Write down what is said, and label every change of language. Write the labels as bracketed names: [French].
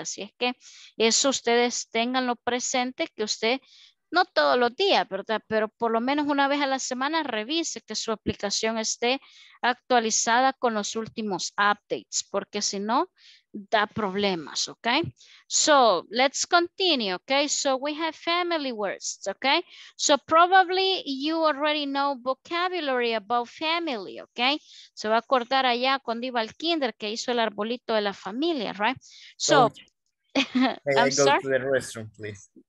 [Spanish] Así es que eso ustedes ténganlo presente, que usted, no todos los días, ¿verdad? Pero por lo menos una vez a la semana revise que su aplicación esté actualizada con los últimos updates, porque si no, da problemas, ¿ok? [English] So, let's continue, ¿ok? So, we have family words, ¿ok? So, probably you already know vocabulary about family, ¿ok? [Spanish] Se va a acordar allá cuando iba al kinder que hizo el arbolito de la familia, ¿right? [English] So, hey, I'm sorry. Go to the restroom, please.